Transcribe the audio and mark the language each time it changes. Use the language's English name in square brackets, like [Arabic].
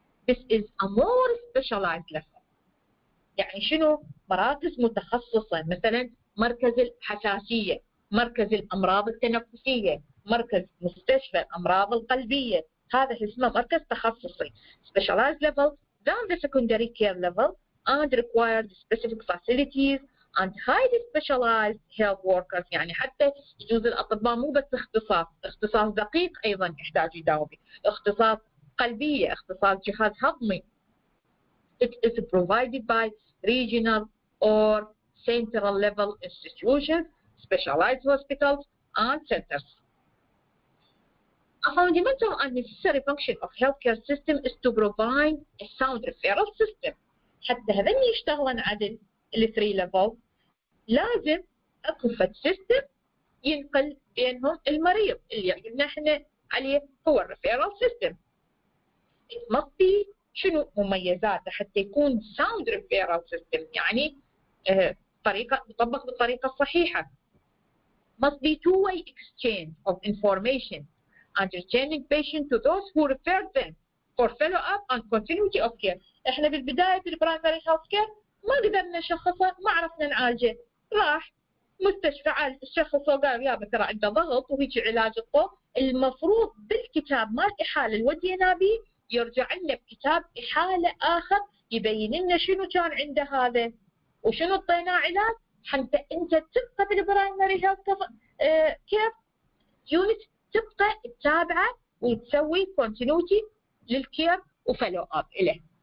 [English] This is a more specialized level. [Arabic] يعني شنو؟ مراكز متخصصة, مثلاً مركز الحساسية, مركز الأمراض التنفسية, مركز مستشفى الأمراض القلبية. هذا اسمه مركز تخصصي. [English] Specialized level than the secondary care level. And required specific facilities and highly specialized health workers. [Arabic] يعني حتى يجوز الأطباء مو بس اختصاص, اختصاص دقيق أيضا يحتاج يداوي, اختصاص قلبية, اختصاص جهاز هضمي. [English] It is provided by regional or central level institutions, specialized hospitals and centers. A fundamental and necessary function of healthcare system is to provide a sound referral system. [Arabic] حتى هذين يشتغلن عدل الـ 3 level لازم أكفة system ينقل بينهم المريض اللي قلنا احنا عليه هو الـ referral system. [English] It must be [Arabic] شنو مميزاته حتى يكون [English] sound referral system, [Arabic] يعني طريقة يطبق بالطريقة الصحيحة. [English] Must be two-way exchange of information and returning patient to those who refer them for follow-up and continuity of care. [Arabic] احنا بالبداية في البرايمري هيلث كير ما قدرنا نشخصه, ما عرفنا نعالجه, راح مستشفى على الشخص وقال يابا ترى عنده ضغط وهيك علاج الطب. المفروض بالكتاب مال احاله الودي نابي يرجع لنا بكتاب احاله اخر يبين لنا شنو كان عنده هذا وشنو اعطيناه علاج حتى انت تبقى في البرايمري هيلث كير يونت, تبقى تتابعه وتسوي [English] continuity للكير وفولو up [Arabic] له.